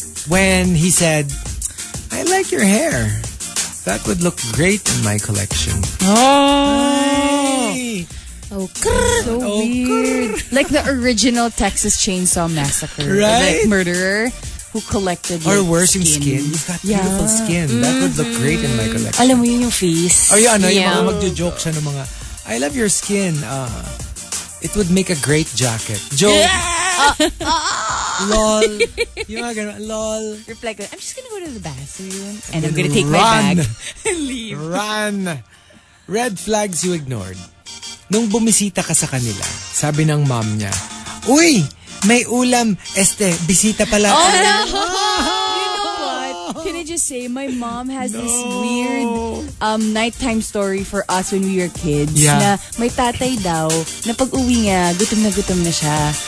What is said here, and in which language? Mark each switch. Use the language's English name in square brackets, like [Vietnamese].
[English] When he said, I like your hair. That would look great in my collection. Oh! Oh, grrr. So weird. Grrr. Like the original Texas Chainsaw Massacre. Right? Like murderer. Who collected or like, worse, skin. Yung skin. You've got beautiful skin. That would look great in my collection. [Filipino] Alam mo yun yung face. Or yun, ano, yung mga magjo-joke siya ng mga, [English] I love your skin. It would make a great jacket. Joke. Yeah! [Filipino] Lol. Yung mga ganun, lol. [English] Reply ko, I'm just gonna go to the bathroom and I'm gonna take my bag. Leave. Run. Red flags you ignored. [Filipino] Nung bumisita ka sa kanila, sabi ng mom niya, uy! May ulam, bisita pala. [English] Oh, no! You know what? Can I just say, my mom has this weird nighttime story for us when we were kids. Yeah. [Filipino] Na may tatay daw, na pag-uwi niya, gutom na siya.